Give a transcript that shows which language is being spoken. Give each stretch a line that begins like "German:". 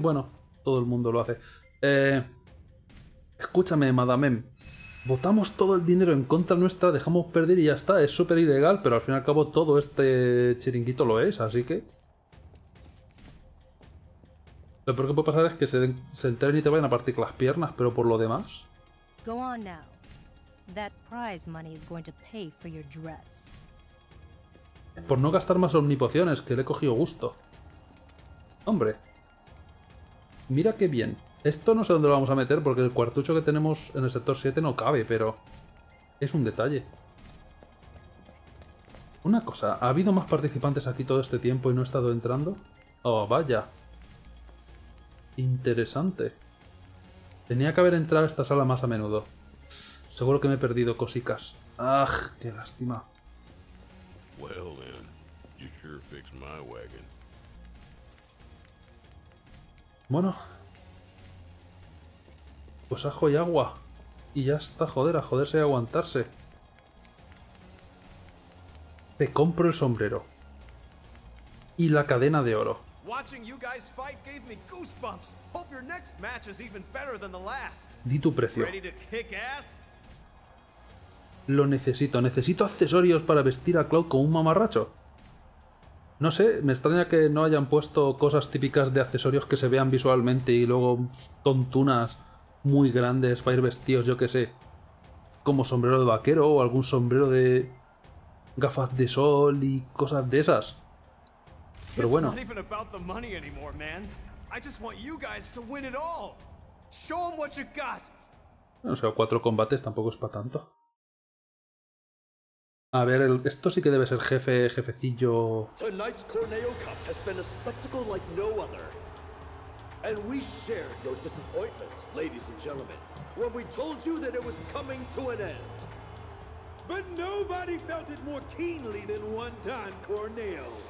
Spanish: Bueno, todo el mundo lo hace. Escúchame, Madame M. Botamos todo el dinero en contra nuestra, dejamos perder y ya está. Es súper ilegal, pero al fin y al cabo todo este chiringuito lo es, así que... Lo peor que puede pasar es que se enteren y te vayan a partir las piernas, pero por lo demás...
English: Go on now. That prize money is going to pay for your dress.
Spanish: Por no gastar más omnipociones, que le he cogido gusto. Hombre. Mira qué bien. Esto no sé dónde lo vamos a meter porque el cuartucho que tenemos en el sector 7 no cabe, pero... es un detalle. Una cosa, ¿ha habido más participantes aquí todo este tiempo y no he estado entrando? Oh, vaya. Interesante. Tenía que haber entrado a esta sala más a menudo. Seguro que me he perdido cosicas. ¡Ah, qué lástima!
English: Well, then, you sure fixed my wagon.
Spanish: Bueno. Pues ajo y agua. Y ya está, joder, a joderse y aguantarse. Te compro el sombrero. Y la cadena de oro.
English: Watching you guys fight gave me goosebumps. Hope your next match is even better than the last.
Spanish: Di tu precio.
English: Ready to kick ass?
Spanish: Lo necesito. Necesito accesorios para vestir a Cloud como un mamarracho. No sé, me extraña que no hayan puesto cosas típicas de accesorios que se vean visualmente y luego tontunas muy grandes para ir vestidos, yo qué sé. Como sombrero de vaquero o algún sombrero de gafas de sol y cosas de esas. Pero bueno.
English: It's not even about the money anymore, man. I just want you guys to win it all. Show them what you got.
Spanish: O sea, cuatro combates tampoco es para tanto. A ver, esto sí que debe ser jefe, jefecillo.
English: Tonight's Corneo Cup has been a spectacle like no other. And we share your disappointment, ladies and gentlemen, when we told you that it was coming to an end. But nobody felt it more keenly than one Don Corneo.